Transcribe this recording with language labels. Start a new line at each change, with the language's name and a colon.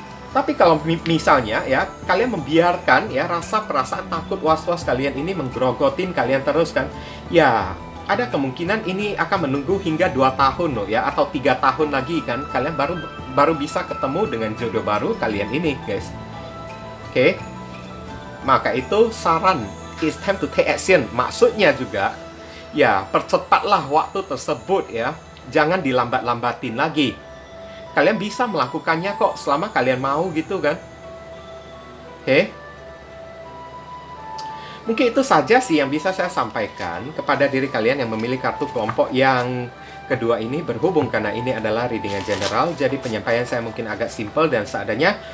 Indonesian: Tapi kalau misalnya ya, kalian membiarkan ya rasa perasaan takut was-was kalian ini menggerogotin kalian terus kan, ya ada kemungkinan ini akan menunggu hingga 2 tahun loh ya, atau 3 tahun lagi kan kalian baru bisa ketemu dengan jodoh baru kalian ini guys. Oke. Maka itu saran,
English: it's time to take action.
Indonesian: Maksudnya juga ya, percepatlah waktu tersebut ya. Jangan dilambat-lambatin lagi. Kalian bisa melakukannya kok selama kalian mau gitu kan. Oke. Mungkin itu saja sih yang bisa saya sampaikan kepada diri kalian yang memilih kartu kelompok yang kedua ini, berhubung karena ini adalah readingan general, jadi penyampaian saya mungkin agak simple dan seadanya.